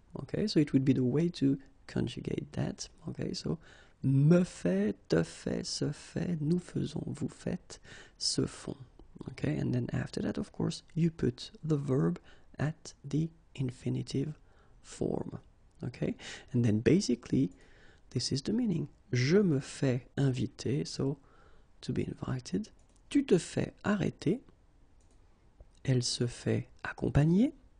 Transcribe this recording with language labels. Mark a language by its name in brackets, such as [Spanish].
[English] Okay, so it would be the way to conjugate that. Okay, so [French] me fait, te fait, se fait, nous faisons, vous faites, se font. [English] Okay, and then after that, of course, you put the verb at the infinitive form. Okay, and then basically, this is the meaning. [French] Je me fais inviter, [English] so to be invited. [French] Tu te fais arrêter. Elle se fait accompagner.